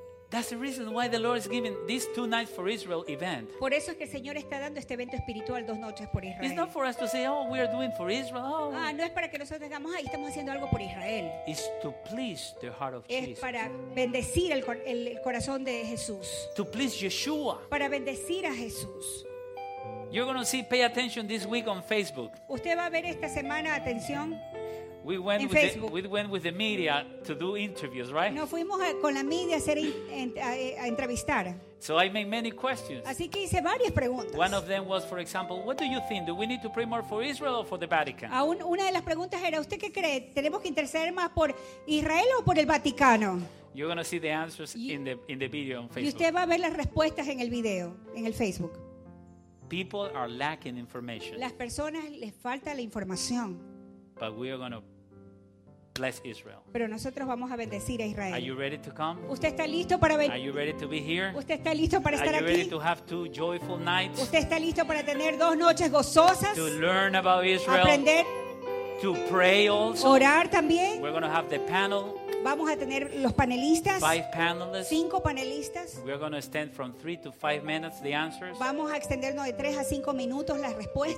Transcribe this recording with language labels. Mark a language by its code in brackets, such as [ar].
[en] That's the reason why the Lord is giving these two nights for Israel event. [es] Por eso es que el Señor está dando este evento espiritual dos noches por Israel. [en] It's not for us to say, oh, we are doing for Israel. Oh. [es] Ah, no es para que nosotros digamos, ah, estamos haciendo algo por Israel. [en] It's to please the heart of [es] es [en] Jesus. [es] Es para bendecir el corazón de Jesús. [en] To please Yeshua. [es] Para bendecir a Jesús. [en] You're going to see, pay attention this week on Facebook. [es] Usted va a ver esta semana, atención. [en] We went with the media to do interviews, right? [es] Nos fuimos con la media a hacer a entrevistar. [en] So I made many questions. [es] Así que hice varias preguntas. [en] One of them was, for example, what do you think? Do we need to pray more for Israel or for the Vatican? [es] Una de las preguntas era, ¿usted qué cree? ¿Tenemos que interceder más por Israel o por el Vaticano? [en] You're going to see the answers in the video on Facebook. [es] Y usted va a ver las respuestas en el video, en el Facebook. [en] People are lacking information. [es] Las personas les falta la información. [en] But we are going to bless Israel. [es] Pero nosotros vamos a bendecir a Israel. [en] Are you ready to come? [es] ¿Usted está listo para venir? [en] Are you ready to be here? [es] ¿Usted está listo para estar aquí? [en] Are you ready to have two joyful nights? [es] ¿Usted está listo para tener dos noches gozosas? [en] To learn about Israel. [es] Aprender. [en] To pray also. [es] Orar también. [en] We're going to have the panel. [es] Vamos a tener los panelistas. [en] Five panelists. [es] Cinco panelistas. [en] We're going to extend from 3 to 5 minutes the answers. [es] Vamos a extendernos de 3 a 5 minutos las respuestas.